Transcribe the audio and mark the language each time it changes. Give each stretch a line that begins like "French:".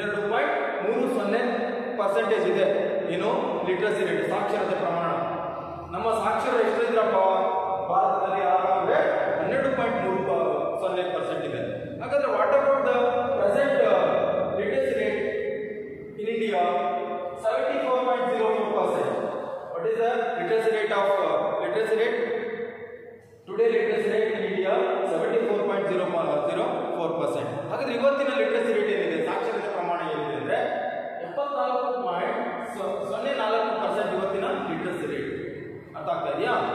Kannada: 12.30% ಇದೆ. ಏನು literacy rate, ಸಾಕ್ಷರತೆ ಪ್ರಮಾಣ? ನಮ್ಮ ಸಾಕ್ಷರ ಎಷ್ಟಿದ್ರಪ್ಪ ಭಾರತದಲ್ಲಿ? ಆಗಿದೆ 12.30% ಇದೆ. ಹಾಗಾದ್ರೆ
English: What about the present literacy rate in India? 74.04%. What is the literacy rate of literacy rate today? Literacy rate in India 74.04%.
Kannada: ಹಾಗಾದ್ರೆ ಇವತ್ತಿನ ಲಿಟರಸಿ ರೇಟ್ ಏನಿದೆ, ಸಾಕ್ಷರತೆ ಪ್ರಮಾಣ ಏನಿದೆ ಅಂದ್ರೆ 74.04% ಇವತ್ತಿನ ಲಿಟರಸಿ ರೇಟ್ ಅಂತ ಆಗ್ತಾ ಇದೆಯಾ.